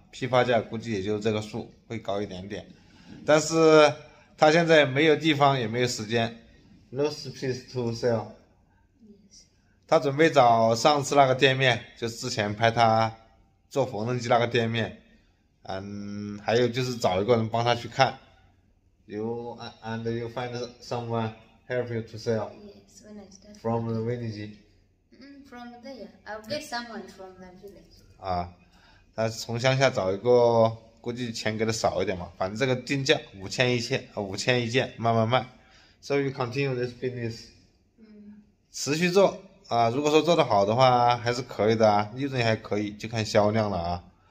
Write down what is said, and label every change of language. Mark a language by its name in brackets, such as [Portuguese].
[Chinese] 批发价估计也就这个数，会高一点点，但是他现在没有地方，也没有时间。 [English] No space to sell。 [Chinese] 他准备找上次那个店面，就是之前拍他做缝纫机那个店面，还有就是找一个人帮他去看。 [English] You and you find someone help you to sell from the village。 From there, I'll get someone from the village。啊。 [Chinese] 他从乡下找一个，估计钱给的少一点嘛。反正这个定价5000一件，慢慢卖。 [English] So you continue this business， [Chinese] 持续做啊。如果说做得好的话，还是可以的啊，利润还可以，就看销量了啊。